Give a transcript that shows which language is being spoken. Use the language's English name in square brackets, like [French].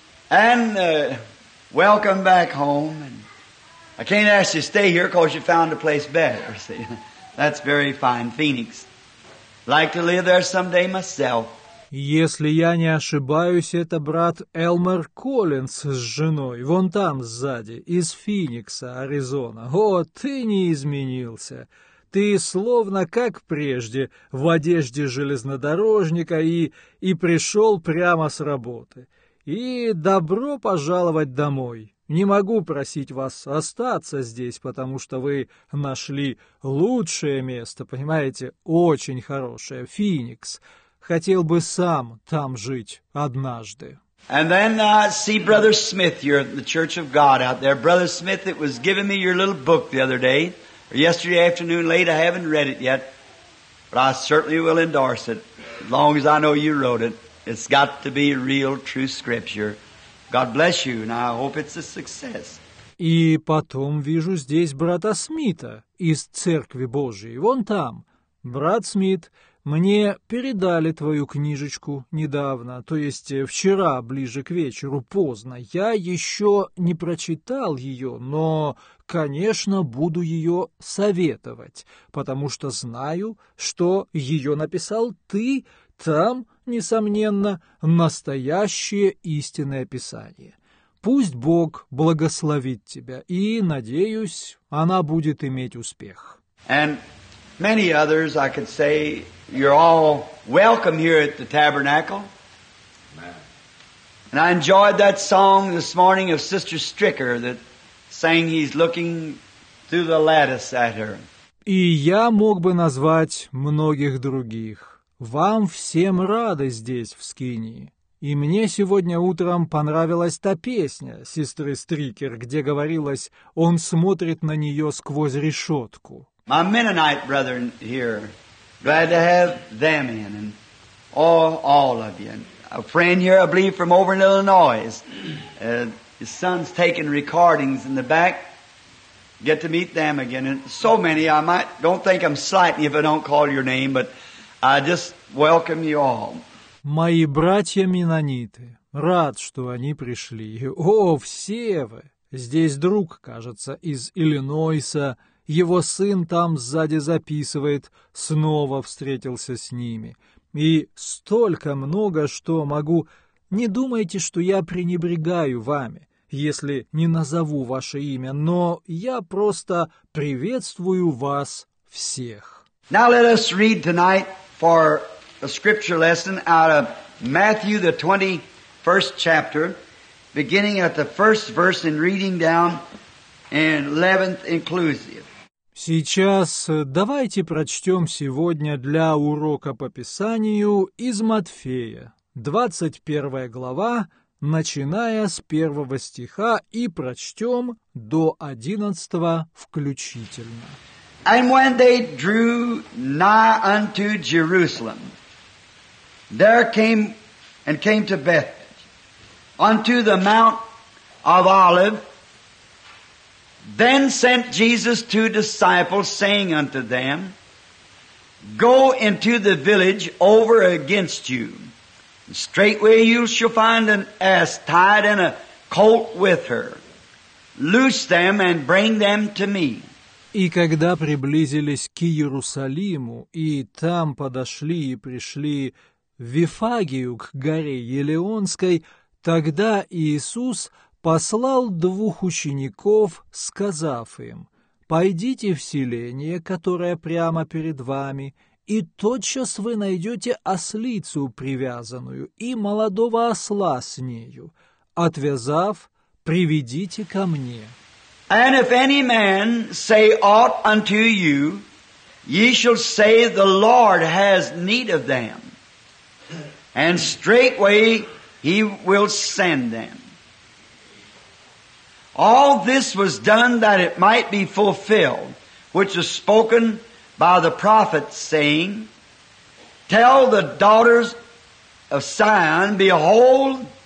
[English] And welcome back home. And I can't ask you to stay here because you found a place better. See, that's very fine, Phoenix. Like to live there someday myself. [Russian] Если я не ошибаюсь, это брат Элмер Коллинс с женой, вон там сзади, из Финикса, Аризона. О, ты не изменился. Ты словно как прежде, в одежде железнодорожника и пришел прямо с работы. И добро пожаловать домой. Не могу просить вас остаться здесь, потому что вы нашли лучшее место, понимаете, очень хорошее, Финикс. Хотел бы сам там жить однажды. [English] And then I see Brother Smith here at the Church of God out there. Brother Smith, it was giving me your little book the other day, or yesterday afternoon late. I haven't read it yet, but I certainly will endorse it, as long as I know you wrote it. It's got to be real, true scripture. God bless you, and I hope it's a success. [Russian] И потом вижу здесь брата Смита из Церкви Божией. Вон там, брат Смит. Мне передали твою книжечку недавно, то есть вчера, ближе к вечеру, поздно. Я еще не прочитал ее, но, конечно, буду ее советовать, потому что знаю, что ее написал ты. Там, несомненно, настоящее истинное Писание. Пусть Бог благословит тебя, и, надеюсь, она будет иметь успех. [English] And many others, I could say, you're all welcome here at the tabernacle. And I enjoyed that song this morning of Sister Stricker that sang he's looking through the lattice at her. [Russian] И я мог бы назвать многих других. Вам всем рады здесь, в Скинии. И мне сегодня утром понравилась та песня сестры Стрикер, где говорилось, он смотрит на нее сквозь решетку. [English] My Mennonite brethren here, glad to have them in, and all of you. A friend here, I believe, from over in Illinois, his son's taking recordings in the back. Get to meet them again, and so many, I might, don't think I'm slighting you if I don't call your name, but I just welcome you all. [Russian] Мои братья Менониты, рад, что они пришли. О, все вы! Здесь друг, кажется, из Иллинойса. Его сын там сзади записывает, снова встретился с ними. И столько много, что могу... Не думайте, что я пренебрегаю вами, если не назову ваше имя, но я просто приветствую вас всех. [English] Now let us read tonight for a scripture lesson out of Matthew, the 21st chapter, beginning at the first verse and reading down in 11th inclusive. [Russian] Сейчас давайте прочтем сегодня для урока по Писанию из Матфея, 21 глава, начиная с 1 стиха, и прочтем до 11 включительно. [English] And when they drew nigh unto Jerusalem, there came and came to Bethany, unto the Mount of Olives. Then sent Jesus two disciples, saying unto them, Go into the village over against you, and straightway you shall find an ass tied and a colt with her. Loose them and bring them to me. [Russian] И когда приблизились к Иерусалиму, и там подошли и пришли в Вифагию к горе Елеонской, тогда Иисус послал двух учеников, сказав им, «Пойдите в селение, которое прямо перед вами, и тотчас вы найдете ослицу привязанную и молодого осла с нею. Отвязав, приведите ко мне». [English] And if any man say aught unto you, ye shall say, the Lord has need of them. And straightway he will send them. All this was done that it might be fulfilled, which was spoken by the prophet, saying, Tell the daughters of Sion, Behold,